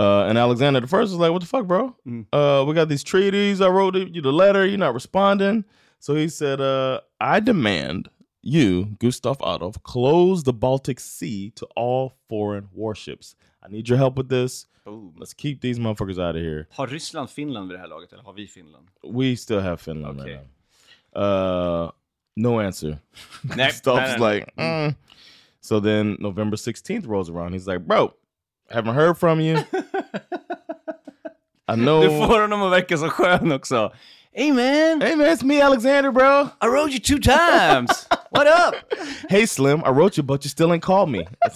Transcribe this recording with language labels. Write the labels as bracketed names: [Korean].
[English] And Alexander I was like, what the fuck, bro? Mm. We got these treaties. I wrote you the letter. You're not responding. So he said, I demand you, Gustav Adolf, close the Baltic Sea to all foreign warships. I need your help with this. Boom. Let's keep these motherfuckers out of here. [Swedish] Har Ryssland Finland vid det här laget, eller har vi Finland? [English] We still have Finland okay. right now. No answer. Next. Gustav's like, So then November 16th rolls around. He's like, bro, haven't heard from you. I know. [Swedish] Du får honom att verka så skön också. [English] Hey, man. Hey, man, it's me, Alexander, bro. I wrote you 2 times. What up? Hey, Slim, I wrote you, but you still ain't called me.